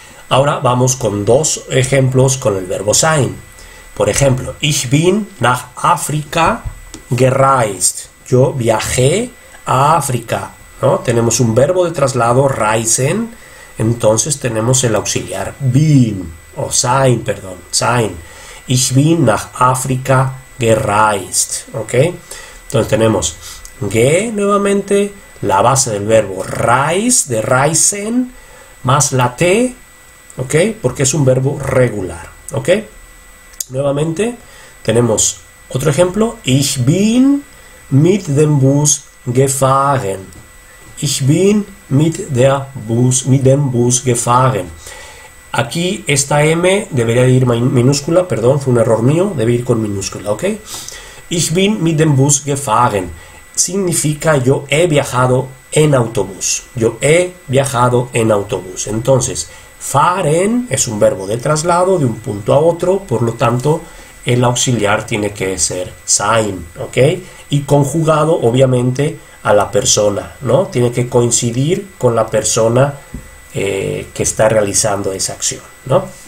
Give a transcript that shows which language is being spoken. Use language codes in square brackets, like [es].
[es] Ahora vamos con dos ejemplos con el verbo sein. Por ejemplo, [de] ich bin nach Afrika gereist. [es] Yo viajé a África, ¿no? Tenemos un verbo de traslado, reisen, entonces tenemos el auxiliar bin, o sein, perdón, sein. [de] Ich bin nach Afrika gereist, ¿ok? [es] Entonces tenemos ge nuevamente, la base del verbo reis, de reisen, más la t, ¿ok? Porque es un verbo regular, ¿ok? Nuevamente tenemos otro ejemplo. [de] Ich bin mit dem Bus gefahren. Ich bin mit dem Bus gefahren. [es] Aquí esta M debería de ir minúscula, perdón, fue un error mío, debe ir con minúscula, ¿ok? [de] Ich bin mit dem Bus gefahren. [es] Significa yo he viajado en autobús. Yo he viajado en autobús. Entonces, fahren es un verbo de traslado de un punto a otro, por lo tanto, el auxiliar tiene que ser sein, ¿ok? Y conjugado, obviamente, a la persona, ¿no? Tiene que coincidir con la persona que está realizando esa acción, ¿no?